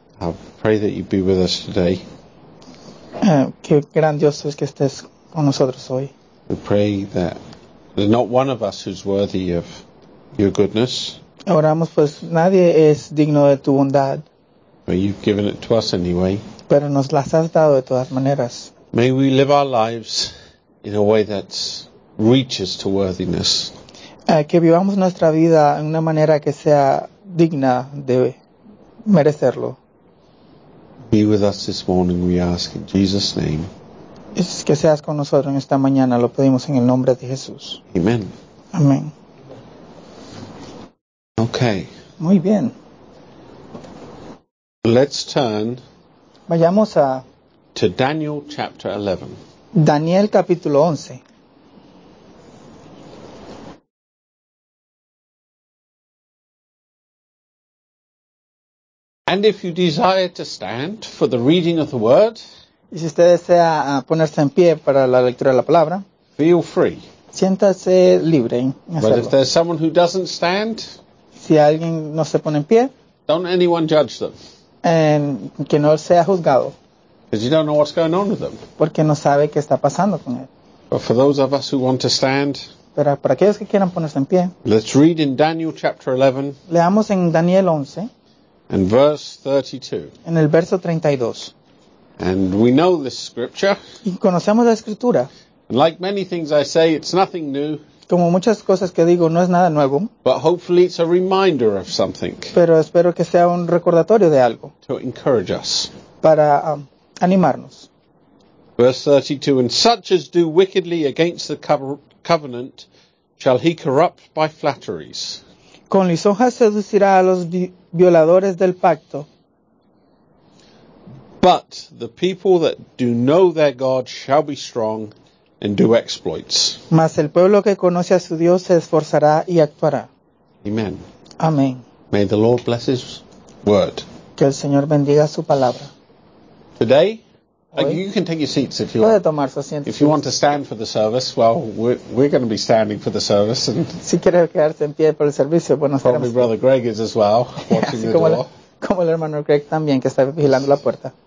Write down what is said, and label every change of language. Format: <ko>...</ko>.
<en>I pray that you be with us today.</en> <es>Qué grandioso es que estés con nosotros hoy.</es> <en>We pray that there's not one of us who's worthy of your goodness.</en> <es>Oramos, pues nadie es digno de tu bondad.</es> <en>But you've given it to us anyway.</en> <es>Pero nos las has dado de todas maneras.</es> <en>May we live our lives in a way that reaches to worthiness.</en> <es>Que vivamos nuestra vida en una manera que sea digna de merecerlo.</es> <en>Be with us this morning, we ask in Jesus' name.</en> <es>Es que seas con nosotros en esta mañana, lo pedimos en el nombre de Jesús.</es> <en>Amen.</en> <es>Amén.</es> <en>Okay.</en> <es>Muy bien.</es> <en>Let's turn.</en> <es>Vayamos a</es> <en>to Daniel chapter 11.</en> <es>Daniel capítulo 11.</es> <en>And if you desire to stand for the reading of the word,</en> <es>y si usted desea ponerse en pie para la lectura de la palabra,</es> <en>feel free.</en> <es>Siéntase libre en hacerlo.</es> <en>But if there's someone who doesn't stand,</en> <es>si alguien no se pone en pie,</es> <en>don't anyone judge them.</en> <es>Que no sea juzgado.</es> <en>Because you don't know what's going on with them.</en> <es>Porque no sabe qué está pasando con él.</es> <en>But for those of us who want to stand,</en> <es>pero para aquellos que quieran ponerse en pie,</es> <en>let's read in Daniel chapter 11.</en> <es>Leamos en Daniel 11.</es> <en>And verse 32.</en> <es>En el verso 32.</es> <en>And we know this scripture.</en> <es>Y conocemos la escritura.</es> <en>And like many things I say, it's nothing new.</en> <es>Como muchas cosas que digo, no es nada nuevo.</es> <en>But hopefully it's a reminder of something.</en> <es>Pero espero que sea un recordatorio de algo.</es> <en>To encourage us.</en> <es>Para animarnos.</es> <en>Verse 32. And such as do wickedly against the covenant, shall he corrupt by flatteries.</en> <es>Con lisonjas seducirá a los violadores del pacto.</es> <en>But the people that do know their God shall be strong and do exploits.</en> <es>Mas el pueblo que conoce a su Dios se esforzará y actuará.</es> <en>Amen.</en> <es>Amén.</es> <en>May the Lord bless his word.</en> <es>Que el Señor bendiga su palabra.</es> <en>Today, you can take your seats if you</en> <es>puede</es> <en>want.</en> <es>Tomar su asiento.</es> <en>If you want to stand for the service, well, we're going to be standing for the service. And</en> <es>si quiere quedarse en pie por el servicio, bueno,</es> <en>probably</en> <es>estaremos.</es> <en>Brother Greg is as well, watching</en> <es>así</es> <en>the door.</en> <es>Como el hermano Greg también, que está vigilando la puerta.</es>